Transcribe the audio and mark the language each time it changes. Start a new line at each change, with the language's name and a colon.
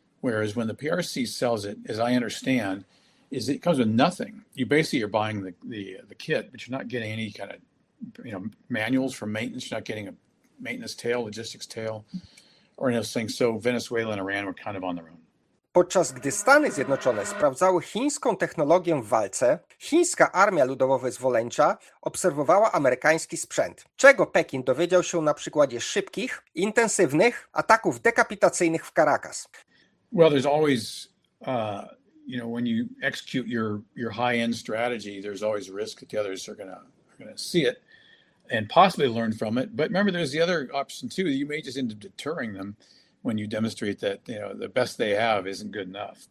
English: Whereas when the PRC sells it, as I understand, is it comes with nothing. You basically are buying the kit, but you're not getting any kind of manuals for maintenance. You're not getting a maintenance tail, logistics tail, or any of those things. So Venezuela and Iran were kind of on their own.
Polish: Podczas gdy Stany Zjednoczone sprawdzały chińską technologię w walce, chińska armia ludowo-wyzwoleńcza obserwowała amerykański sprzęt, czego Pekin dowiedział się na przykładzie szybkich, intensywnych ataków dekapitacyjnych w Caracas.
English: Well, there's always, when you execute your high-end strategy, there's always risk that the others are gonna see it and possibly learn from it. But remember, there's the other option, too. You may just end up deterring them when you demonstrate that, the best they have isn't good enough.